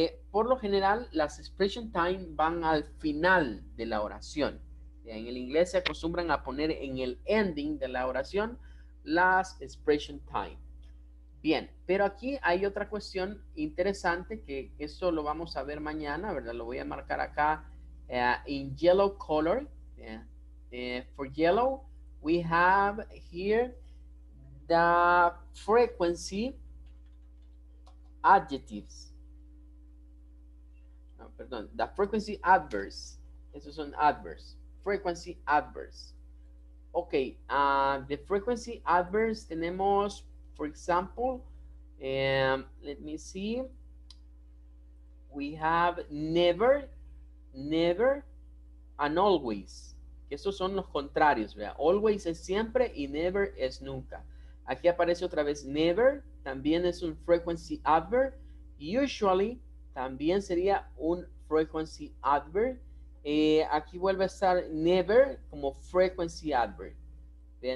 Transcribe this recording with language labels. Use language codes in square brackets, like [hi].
[es] Por lo general, las expression time van al final de la oración. En el inglés se acostumbran a poner en el ending de la oración las expression time. Bien, pero aquí hay otra cuestión interesante que eso lo vamos a ver mañana, ¿verdad? Lo voy a marcar acá [en] in yellow color. For yellow, we have here the frequency adjectives. [es] No, perdón, [en] the frequency adverbs. [es] Esos son adverbs. [en] Frequency adverbs. Okay, the frequency adverbs [es] tenemos, [en] for example, let me see. We have never, and always. [es] Estos son los contrarios, ¿verdad? Always es siempre y never es nunca. Aquí aparece otra vez never, también es un frequency adverb. Usually también sería un frequency adverb. Aquí vuelve a estar never como frequency adverb. ¿Verdad?